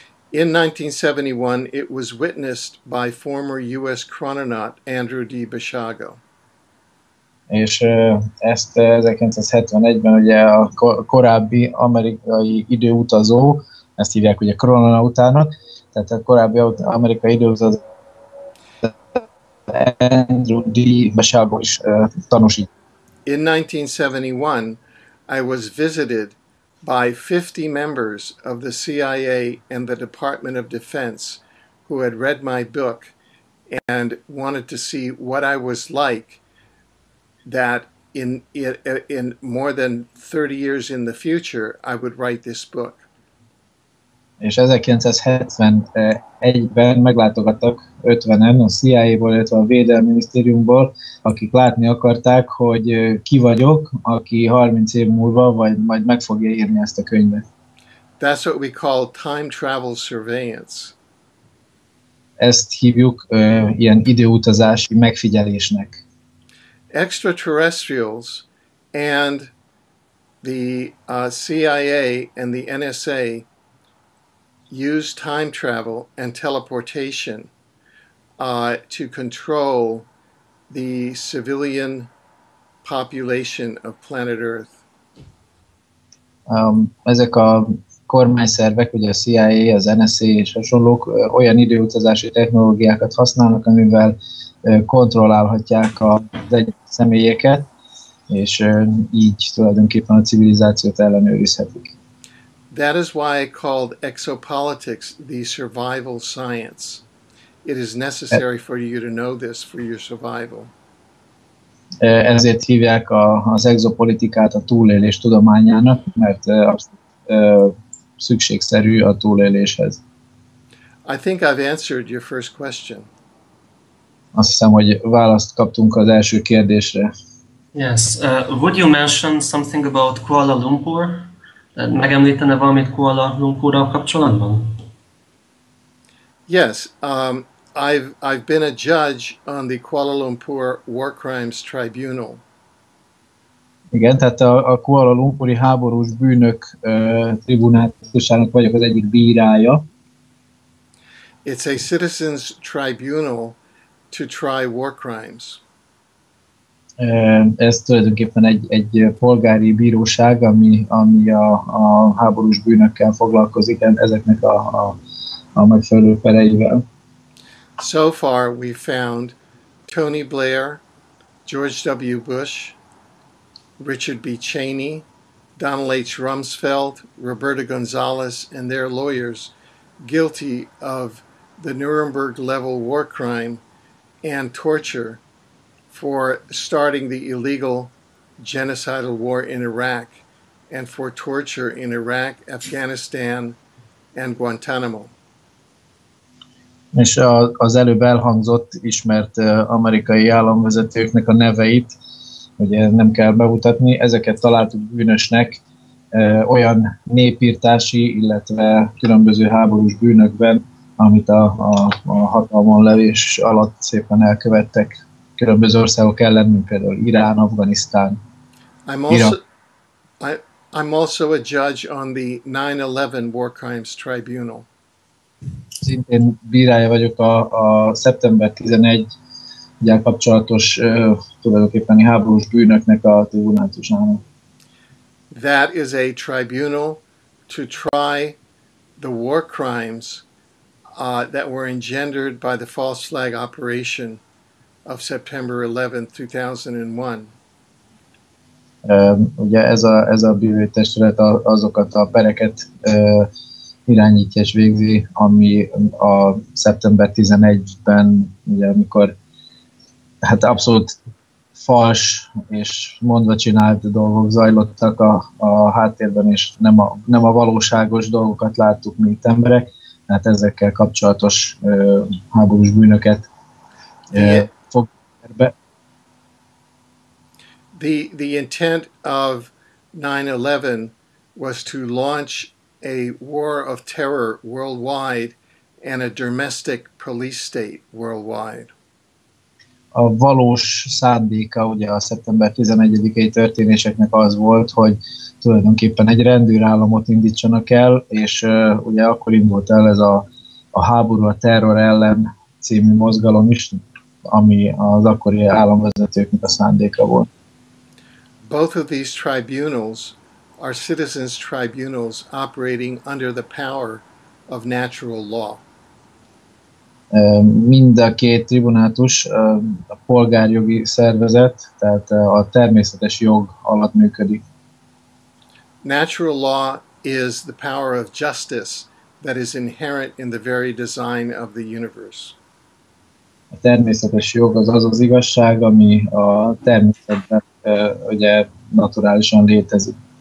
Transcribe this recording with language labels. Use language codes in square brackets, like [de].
[en] In 1971, it was witnessed by former U.S. chrononaut Andrew D. Bisciago. [hu] És ezt 1971-ben ugye a korábbi amerikai időutazó, ezt hívják ugye chrononautának, tehát a korábbi amerikai időutazó Andrew D. Bisciago is tanúsít. [en] In 1971, I was visited by 50 members of the CIA and the Department of Defense who had read my book and wanted to see what I was like that in more than 30 years in the future I would write this book. [hu] És 1971-ben meglátogattak 50-en a CIA-ból, illetve a Védelmi Minisztériumból, akik látni akarták, hogy ki vagyok, aki 30 év múlva vagy majd meg fogja írni ezt a könyvet. [en] That's what we call time travel surveillance. [hu] Ezt hívjuk ilyen időutazási megfigyelésnek. [en] Extraterrestrials and the CIA and the NSA use time travel and teleportation to control the civilian population of planet Earth. [hu] Ezek a kormányszervek, ugye a CIA, az NSA és hasonlók olyan időutazási technológiákat használnak, amivel kontrollálhatják az egyes személyeket, és így tulajdonképpen a civilizációt ellenőrizhetik. [en] That is why I called exopolitics the survival science. It is necessary for you to know this for your survival. [hu] Ezért hívják az exopolitikát a túlélés tudományának, mert szükségszerű a túléléshez. [en] I think I've answered your first question. [hu] Azt hiszem, hogy választ kaptunk az első kérdésre. [en] Yes. Would you mention something about Kuala Lumpur? [hu] Megemlítene valamit Kuala Lumpurral kapcsolatban? [en] Yes. I've been a judge on the Kuala Lumpur War Crimes Tribunal. [hu] Igen, tehát a Kuala Lumpuri háborús bűnök tribunálisának vagyok az egyik bírája. [en] It's a citizens tribunal to try war crimes. [hu] Ez tulajdonképpen egy polgári bíróság, ami a háborús bűnökkel foglalkozik, ezeknek a megfelelő pereivel. [en] So far we found Tony Blair, George W. Bush, Richard B. Cheney, Donald H. Rumsfeld, Roberta Gonzalez, and their lawyers guilty of the Nuremberg-level war crime and torture for starting the illegal genocidal war in Iraq and for torture in Iraq, Afghanistan, and Guantanamo. [hu] És az előbb elhangzott ismert amerikai államvezetőknek a neveit, ugye nem kell bemutatni, ezeket találtuk bűnösnek olyan népirtási, illetve különböző háborús bűnökben, amit a hatalmon levés alatt szépen elkövettek különböző országok ellen, mint például Irán, Afganisztán, Irak. [en] I'm also a judge on the 9/11 War Crimes Tribunal. [hu] Szintén bírája vagyok a szeptember 11-gyel kapcsolatos tulajdonképpeni háborús bűnöknek a tribunálisának. [en] That is a tribunal to try the war crimes that were engendered by the false flag operation of September 11, 2001. [hu] Ugye ez a bűnügyi testület azokat a pereket irányítja és végzi, ami a szeptember 11-ben, ugye amikor hát abszolút fals és mondva csinált dolgok zajlottak a háttérben, és nem a valóságos dolgokat láttuk, mint emberek, hát ezekkel kapcsolatos háborús bűnöket fog terbe. [en] The intent of 9/11 was to launch a war of terror worldwide and a domestic police state worldwide. [hu] A valós szándéka ugye a szeptember 11-i történéseknek az volt, hogy tulajdonképpen egy rendőrállamot indítsanak el, és ugye akkor indult el ez a háború a terror ellen című mozgalom is, ami az akkori államvezetőknek a szándéka volt. [en] Both of these tribunals are citizens' tribunals operating under the power of natural law. [hu] Mind a két tribunátus a polgárjogi szervezet, tehát a természetes jog alatt működik. [en] Natural law is the power of justice that is inherent in the very design of the universe. [hu] A természetes jog az az igazság, ami a természetben ugye naturálisan létezik.